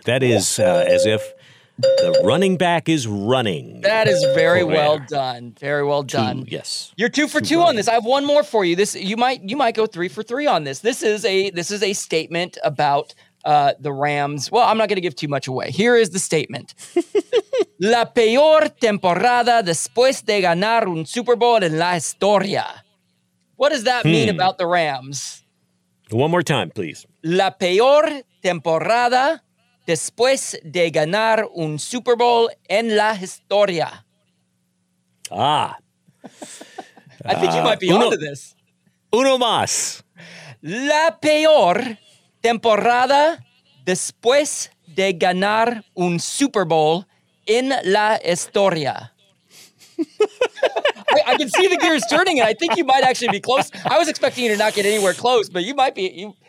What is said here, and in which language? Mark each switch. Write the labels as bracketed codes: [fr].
[en] That is as if... The running back is running. That is very well done. Very well done. You're two for two on this. I have one more for you. You might go three for three on this. This is a statement about the Rams. Well, I'm not going to give too much away. Here is the statement. [es] La peor temporada después de ganar un Super Bowl en la historia. [en] What does that mean about the Rams? One more time, please. [es] La peor temporada... Después de ganar un Super Bowl en la historia. Ah. [en] I think you might be onto this. [es] Uno más. La peor temporada después de ganar un Super Bowl en la historia. [en] I can see the gears turning, and I think you might actually be close. I was expecting you to not get anywhere close, but you might be.